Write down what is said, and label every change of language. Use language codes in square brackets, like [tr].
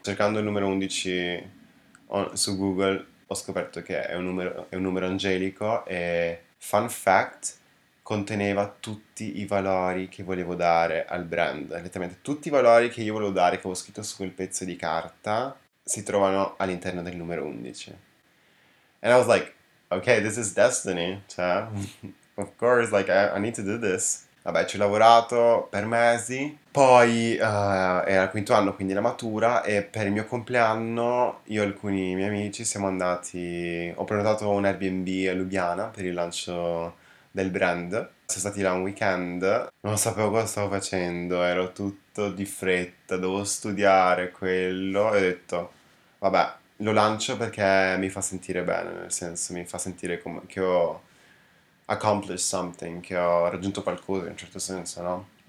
[it] Cercando il numero 11 su Google, ho scoperto che è un numero angelico. E fun fact, conteneva tutti i valori che volevo dare al brand. Letteralmente tutti i valori che io volevo dare, che avevo scritto su quel pezzo di carta, si trovano all'interno del numero 11. [en] And I was like, okay, this is destiny. Cioè, of course, like, I need to do this. [it] Vabbè, ci ho lavorato per mesi, poi era il quinto anno, quindi la matura, e per il mio compleanno io e alcuni miei amici siamo andati, ho prenotato un Airbnb a Lubiana per il lancio del brand. Siamo stati là un weekend, non sapevo cosa stavo facendo, ero tutto di fretta, dovevo studiare quello, e ho detto, vabbè, lo lancio perché mi fa sentire bene, nel senso mi fa sentire come che ho [en] accomplished something, [it] che ho raggiunto qualcosa in un certo senso, no?